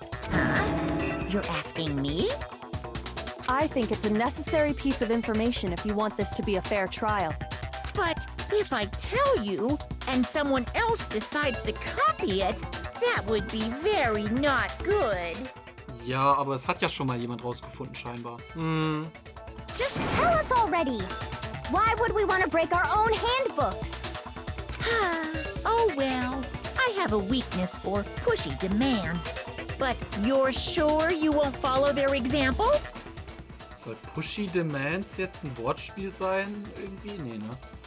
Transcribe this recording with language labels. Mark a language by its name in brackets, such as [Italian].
[English] Huh? You're asking me? I think it's a necessary piece of information if you want this to be a fair trial. But if I tell you, and someone else decides to copy it, that would be very not good. [German] Ja, aber es hat ja schon mal jemand rausgefunden, scheinbar. [English] Just tell us already! Why would we want to break our own handbooks? Oh well, I have a weakness for pushy demands. But you're sure you won't follow their example? [German] Soll [English] pushy demands [German] jetzt ein Wortspiel sein? Irgendwie? Nee, ne?